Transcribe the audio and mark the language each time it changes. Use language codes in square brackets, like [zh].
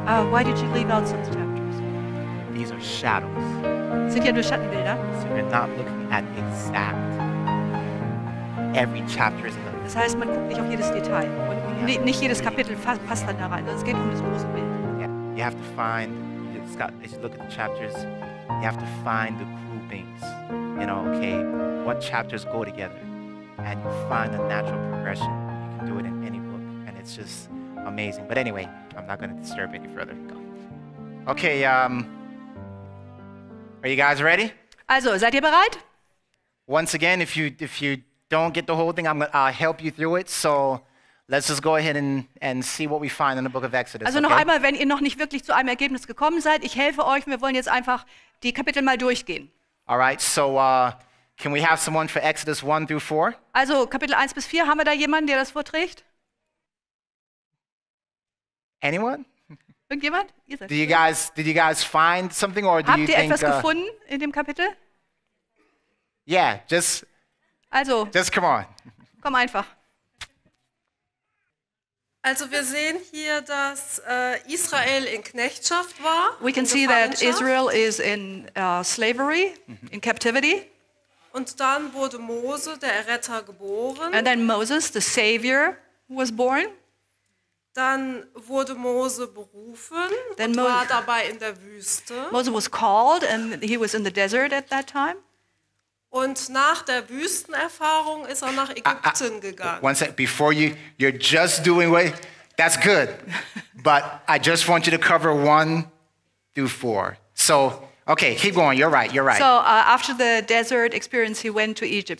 [en] Why did you leave out some chapters? These are shadows. [de] Sind ja nur Schattenbilder. [en] So you're not looking at exact. Every chapter is in the. [de] Das heißt, man guckt nicht auf jedes Detail. Und nicht jedes Kapitel passt dann da rein. Es geht um das große Bild. [en] Yeah. You have to find, as you look at the chapters, you have to find the groupings. You know, okay, what chapters go together. And you find a natural progression. You can do it in any book. And it's just amazing. But anyway, I'm not going to disturb any further. Go. Okay, are you guys ready? [de] Also, seid ihr bereit? [en] Once again, if you don't get the whole thing, I'll help you through it. So let's just go ahead and see what we find in the book of Exodus. [de] Also noch einmal, wenn ihr noch nicht wirklich zu einem Ergebnis gekommen seid, ich helfe euch. Wir wollen jetzt einfach die Kapitel mal durchgehen. [en] All right. So can we have someone for Exodus 1 through 4? [de] Also Kapitel 1 bis 4, haben wir da jemanden, der das vorträgt? [en] Anyone? [de] Irgendjemand? [en] Did you guys find something or [de] habt [en] do you [de] ihr [en] think, [de] etwas gefunden in dem Kapitel? [en] Yeah, just. [de] Also. [en] Just come on. [de] Komm einfach. Also wir sehen hier, dass Israel in Knechtschaft war. [en] We can see that Israel is in slavery, mm-hmm. in captivity. [de] Und dann wurde Mose, der Erretter, geboren. [en] And then Moses, the Savior, was born. [de] Dann wurde Mose berufen und war dabei in der Wüste. [en] Mose was called and he was in the desert at that time. [de] Und nach der Wüstenerfahrung ist er nach Ägypten gegangen. [en] One second, before you're just doing what, that's good. But I just want you to cover 1 through 4. So, okay, keep going, you're right. So, after the desert experience, he went to Egypt.